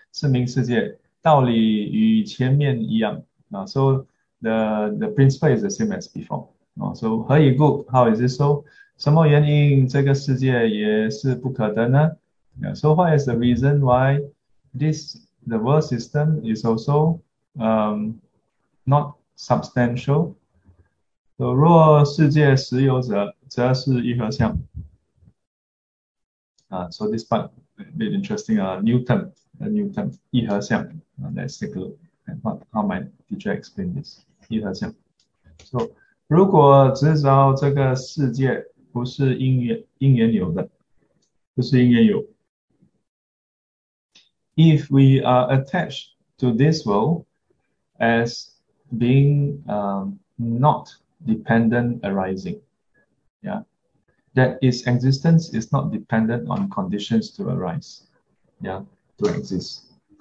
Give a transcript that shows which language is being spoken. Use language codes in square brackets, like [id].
[zh] 四明世界道理与前面一样. [en] So the principle is the same as before. So [zh] 何以 [en] good? How is it so? [zh] 什么原因这个世界也是不可得呢? [en] So what is the reason why the world system is also not substantial? [zh] So 若世界实有者，则是一合相. [en] So this part a bit interesting. A new term, 一合相. Let's take a look at how my teacher explained this. [zh] 一合相. So 如果知道这个世界不是因缘有的，不是因缘有. [en] If we are attached to this world as being not dependent arising, yeah, that its existence is not dependent on conditions to arise, yeah, to exist.